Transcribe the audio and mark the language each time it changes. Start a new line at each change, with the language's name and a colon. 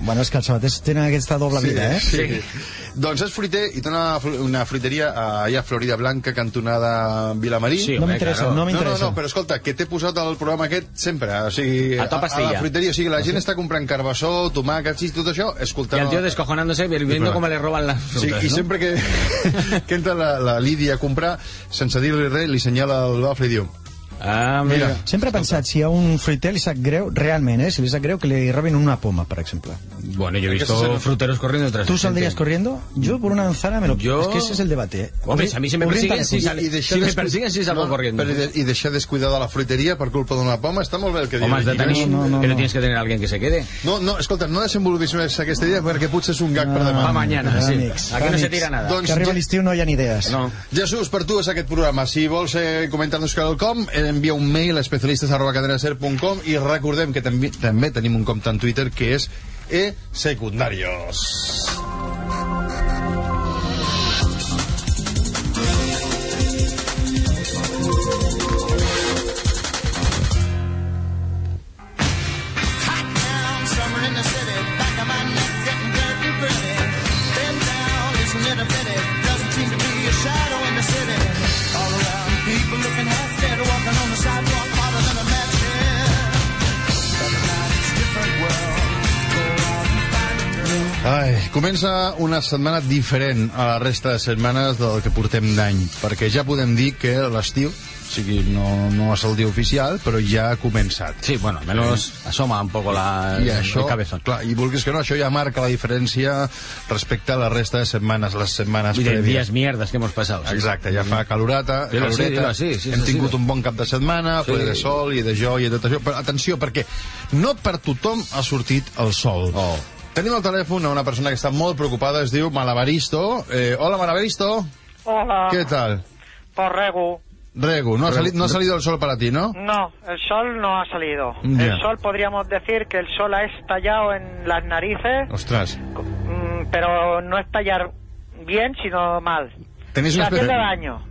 Catalan: Bueno, és que els sabaters tenen aquesta doble vida, sí. Sí. Doncs és fruiter i té una fruiteria allà a Florida Blanca, cantonada Vilamarí. Sí, no m'interessa, no m'interessa. No, però escolta, que t'he posat el programa aquest sempre. O sigui, a tot pastilla. A la fruiteria, o sigui, la gent està comprant carbassó, tomàquets i tot això, escoltant...
Spanish: I el tio descojonándose, viendo com le roban las frutas,
Catalan: sí, no? I sempre que entra la Lídia a comprar, sense dir-li res, li senyala el bafle i diu... Mira, sempre he pensat, si a un fruiter li sap greu, realment, si li sap greu, que li robin una poma, per exemple.
Spanish: Bueno, yo he visto fruteros corriendo detrás. ¿Tú saldrías corriendo? Yo por una manzana me lo... Yo... Es que ese es el debate, Hombre, a mí si me persiguen, salgo corriendo.
Catalan: Pero y deixar descuidado a la fruitería por culpa d'una poma, está molt bé el que dius. Home, has de tenir...
Spanish: Que no tienes que tener a alguien que se quede.
Catalan: No, no, escolta, no desenvolupis més aquesta idea, perquè potser és un gag per demà.
Spanish: Va mañana, sí. Aquí no se tira nada.
Catalan: Que arriba l'estiu no hi ha ni idees. Jesús, per tu és aquest programa. Si vols comentar-nos quelcom, envia un mail a especialistas@cadenaser.com i recordem que també tenim un compte en Twitter que és Secundarios. Ai, comença una setmana diferent a la resta de setmanes del que portem d'any, perquè ja podem dir que l'estiu, o sigui, no és el dia oficial, però ja ha començat.
Spanish: Sí, bueno, almenys asoma un poco el cabezón.
Catalan: Clar, i vulguis que no, això ja marca la diferència respecte a la resta de setmanes, les setmanes prèvies.
Spanish: Mira, dies mierdes que hemos pasado.
Catalan: Exacte, ja fa calorata, hem tingut un bon cap de setmana, ple de sol i de joia i tot això, però atenció, perquè no per tothom ha sortit el sol. Oh. Tenim al telèfon una persona que està molt preocupada, es diu Malabaristo. Hola, Malabaristo. Hola. Què tal?
Spanish: Pues rego. Rego. No ha salido el sol para ti, ¿no? No, el sol no ha salido. Yeah. El sol, podríamos decir que el sol ha estallado en las narices. Ostras. Pero no estallar bien, sino mal. ¿Tenéis una especie de daño?